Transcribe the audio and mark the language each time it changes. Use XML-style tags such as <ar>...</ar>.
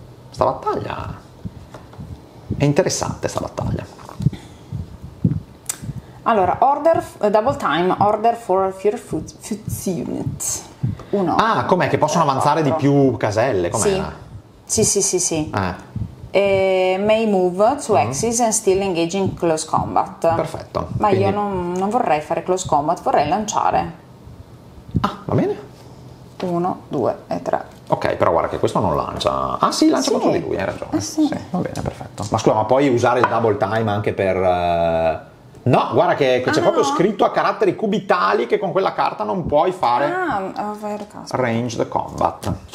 <it>Sta battaglia. È interessante sta battaglia.</it> <en>Allora, order, double time, order for fear foot unit. Uno.</en> <it>Ah, com'è? Che possono avanzare di più caselle? Com'è? Sì.</it> <en>May move to axis and still engage in close combat.</en> <it>Perfetto. Ma quindi... io non vorrei fare close combat, vorrei lanciare. Ah, va bene. 1, 2 e 3. Ok, però guarda che questo non lancia. Ah sì, lancia contro di lui, hai ragione. Sì, va bene, perfetto. Ma scusa, ma puoi usare il double time anche per... No, guarda che c'è proprio scritto a caratteri cubitali che con quella carta non puoi fare ranged combat.</it>